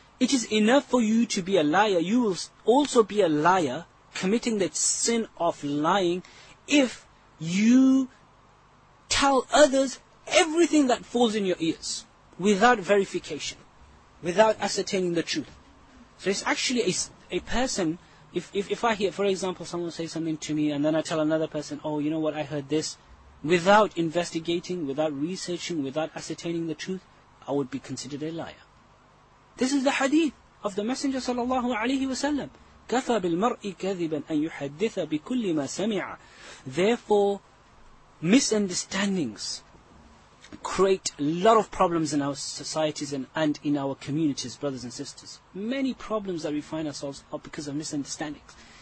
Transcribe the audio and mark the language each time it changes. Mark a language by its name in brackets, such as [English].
[English] It is enough for you to be a liar. You will also be a liar committing that sin of lying if you tell others everything that falls in your ears without verification, without ascertaining the truth. So it's actually a person, if I hear, for example, someone say something to me and then I tell another person, oh, you know what, I heard this. Without investigating, without researching, without ascertaining the truth, I would be considered a liar. This is the hadith of the Messenger sallallahu alayhi wa sallam. [Arabic] كَفَى بِالْمَرْءِ كَذِبًا أَنْ يُحَدِّثَ بِكُلِّ مَا سَمِعَ. [English] Therefore, misunderstandings, create a lot of problems in our societies and in our communities, brothers and sisters. Many problems that we find ourselves are because of misunderstandings.